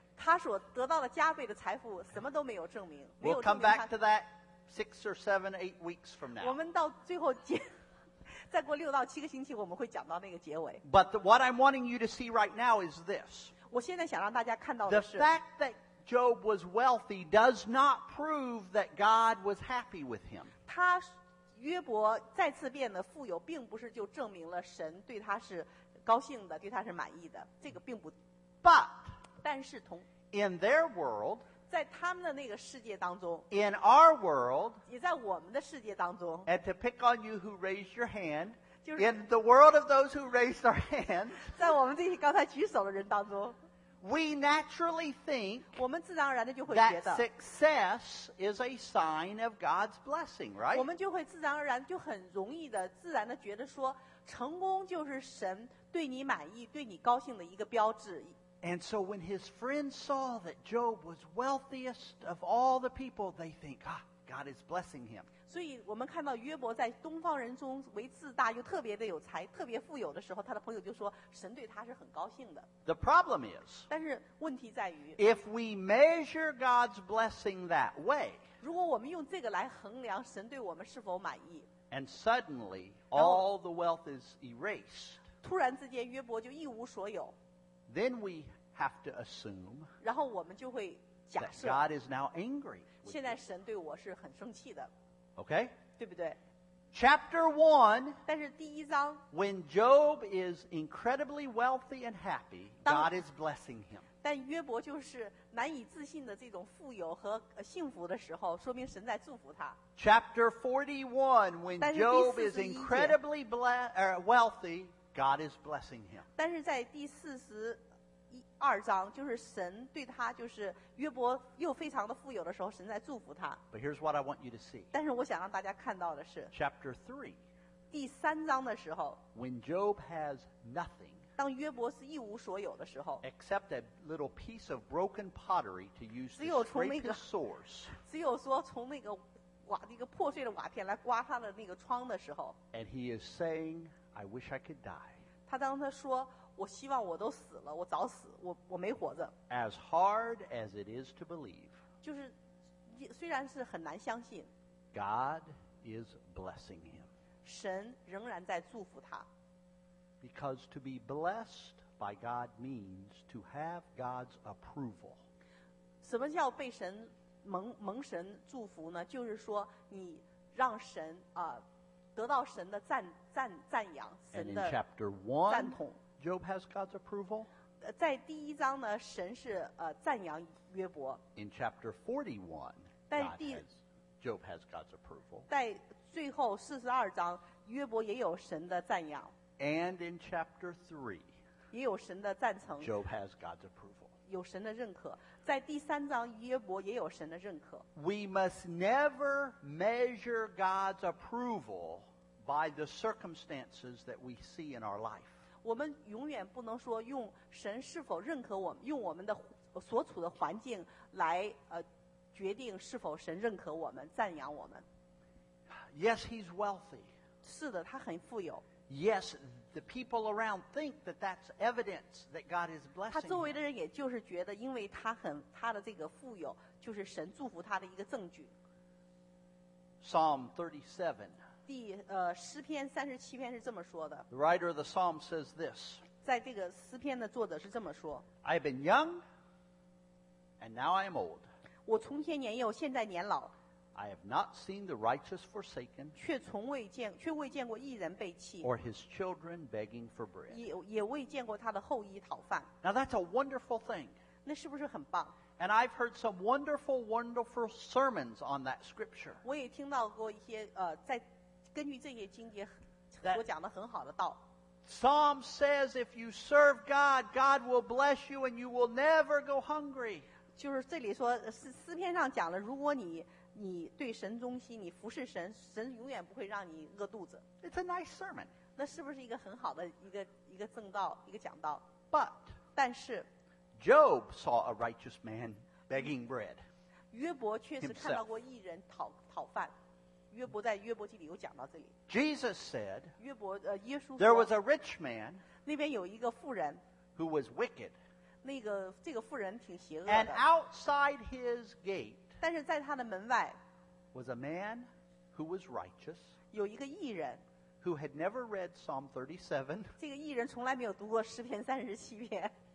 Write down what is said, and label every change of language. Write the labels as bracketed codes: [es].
[zh] 他所得到的加倍的财富什么都没有证明。 [en] We'll come back to that 6 or 7 or 8 weeks from now. [zh] 我们到最后再过6到7个星期我们会讲到那个结尾。 [en] But what I'm wanting you to see right now is this. [zh] 我现在想让大家看到的是 [en] The fact that Job was wealthy does not prove that God was happy with him. [zh] 他约伯再次变得富有并不是就证明了神对他是高兴的，对他是满意的，这个并不。 [en] But, [zh] 但是同 [en] in their world, [zh] 在他们的那个世界当中 [en] in our world, [zh] 也在我们的世界当中 [en] and to pick on you who raised your hand,、 [zh] 就是、 [en] in the world of those who raised their hands, [zh] 在我们这些刚才举手的人当中 [en] we naturally think [zh] 我们自然而然的就会觉得 [en] that success is a sign of God's blessing, right? [zh] 我们就会自然而然就很容易的自然的觉得说成功就是神对你满意对你高兴的一个标志。 [en] And so when his friends saw that Job was wealthiest of all the people, they think, ah, God is blessing him. [zh] 所以我们看到约伯在东方人中为自大又特别的有才特别富有的时候他的朋友就说神对他是很高兴的。 [en] The problem is, [zh] 但是问题在于 [en] if we measure God's blessing that way, [zh] 如果我们用这个来衡量神对我们是否满意 [en] and suddenly all the wealth is erased, [zh] 突然之间约伯就一无所有。 [en] Then we have to assume [zh] 然后我们就会假设 [en] that God is now angry. [zh] 现在神对我是很生气的。 [en] Okay? [zh] 对不对？ [en] Chapter 1, [zh] 但是第一章 [en] when Job is incredibly wealthy and happy, God is blessing him. [zh] 但约伯就是难以自信的这种富有和幸福的时候说明神在祝福他。 [en] Chapter 41, when Job is incredibly wealthy,God is blessing him. [zh] 但是在第42章，就是神对他，就是约伯又非常的富有的时候，神在祝福他。 [en] But here's what I want you to see. [zh] 但是我想让大家看到的是 [en] ，Chapter 3, [zh] 第三章的时候 [en] ，When Job has nothing, [zh] 当约伯是一无所有的时候 [en] ，except a little piece of broken pottery to use to scrape his sores, [zh] 只有说从那个瓦那个破碎的瓦片来刮他的那个窗的时候 [en] ，and he is saying. I wish I could die. [zh] 他当他说我希望我都死了我早死我没活着 [en] As hard as it is to believe. [zh] 就是虽然是很难相信 [en] God is blessing him. [zh] 神仍然在祝福他 [en] Because to be blessed by God means to have God's approval. [zh] 什么叫被神蒙神祝福呢就是说你让神得到神的赞扬神的赞同 [en] And in chapter 1, Job has God's approval. [zh] 在第一章呢神是赞扬约伯 [en] In chapter 41, Job has God's approval. [zh] 在最后42章约伯也有神的赞扬 [en] And in chapter 3, [zh] 也有神的赞成 [en] Job has God's approval. [zh] 有神的认可在第三章约伯也有神的认可 [en] We must never measure God's approval by the circumstances that we see in our life. [zh] 我们永远不能说用神是否认可我们用我们的所处的环境来决定是否神认可我们赞扬我们 [en] Yes, he's wealthy. [zh] 是的他很富有 [en] Yes, the people around think that that's evidence that God is blessing him. [zh] 他周围的人也就是觉得因为他的这个富有就是神祝福他的一个证据 [en] Psalm 37 [zh] 诗篇37篇是这么说的 [en] The writer of the psalm says this [zh] 在这个诗篇的作者是这么说 [en] I've been young and now I am old [zh] 我从前年幼现在年老 [en] I have not seen the righteous forsaken [zh] 却未见过义人被弃 [en] or his children begging for bread [zh] 也未见过他的后裔讨饭 [en] Now that's a wonderful thing [zh] 那是不是很棒 [en] And I've heard some wonderful, wonderful sermons on that scripture [zh] 我也听到过一些在根据这些经节所讲的很好的道 [en] Psalm says if you serve God God will bless you and you will never go hungry [zh] 就是这里说诗篇上讲了如果你你对神忠心，你服侍神，神永远不会让你饿肚子。 [en] It's a nice sermon. [zh] 那是不是一个很好的一个正道，一个讲道 [en] ？But [zh] 但是 [en] ，Job saw a righteous man begging bread. [zh] 约伯确实看到过义人讨饭。约伯在约伯记里有讲到这里。 [en] Jesus said. [zh] 约伯耶稣说。 [en] There was a rich man. [zh] 那边有一个富人。 [en] Who was wicked. [zh] 那个这个富人挺邪恶的。 [en] And outside his gate. [zh] 但是在他的门外。 [en] Was a man who was righteous. [zh] 有一个义人。 [en] Who had never read Psalm 37. [zh] 这个义人从来没有读过诗篇三十七篇。